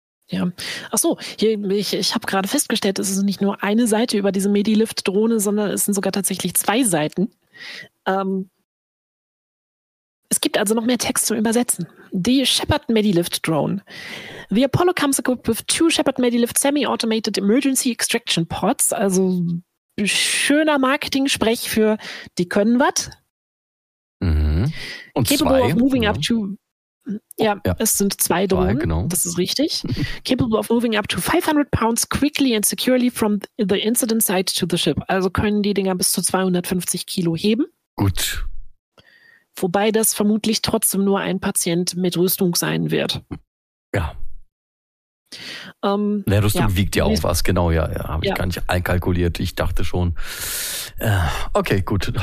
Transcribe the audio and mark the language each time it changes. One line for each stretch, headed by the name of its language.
German: Ja. Ach so, ich habe gerade festgestellt, es ist nicht nur eine Seite über diese Medilift-Drohne, sondern es sind sogar tatsächlich zwei Seiten. Es gibt also noch mehr Text zum Übersetzen. Die Shepard Medilift Drone.
English: The Apollo comes equipped with two Shepard Medilift semi-automated emergency extraction pods.
German: Also schöner Marketing-Sprech für die können was. Mhm. Und
English: capable
German: zwei,
English: of moving
German: ja.
English: up to.
German: Ja, es sind zwei Drohnen. Zwei, genau. Das ist richtig.
English: Capable of moving up to 500 pounds quickly and securely from the incident site to the ship.
German: Also können die Dinger bis zu 250 Kilo heben. Gut. Wobei das vermutlich trotzdem nur ein Patient mit Rüstung sein wird. Ja. Rüstung wiegt ja auch was. Genau, ja. Habe ich gar nicht einkalkuliert. Ich dachte schon. Okay, gut.